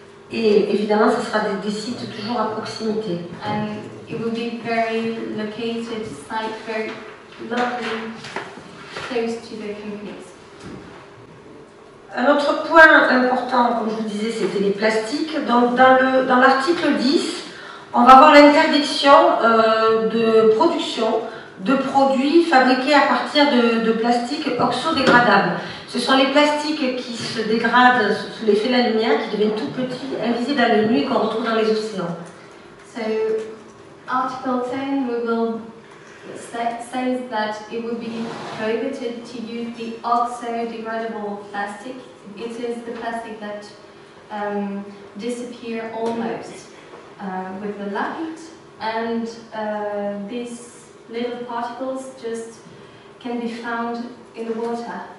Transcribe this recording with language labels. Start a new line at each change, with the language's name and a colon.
French: Et évidemment, ce sera des sites toujours à proximité.
English: And it will be very located site, very lovely, close to the companies.
French: Un autre point important, comme je vous disais, c'était les plastiques. Donc, dans l'article 10, on va avoir l'interdiction de production de produits fabriqués à partir de plastiques oxodégradables. Ce sont les plastiques qui se dégradent sous l'effet de la lumière, qui deviennent tout petits, invisibles à l'œil nu, qu'on retrouve dans les océans.
English: So, article 10, we will says that it would be prohibited to use the oxo-degradable plastic. It is the plastic that disappear almost with the light, and these little particles just can be found in the water.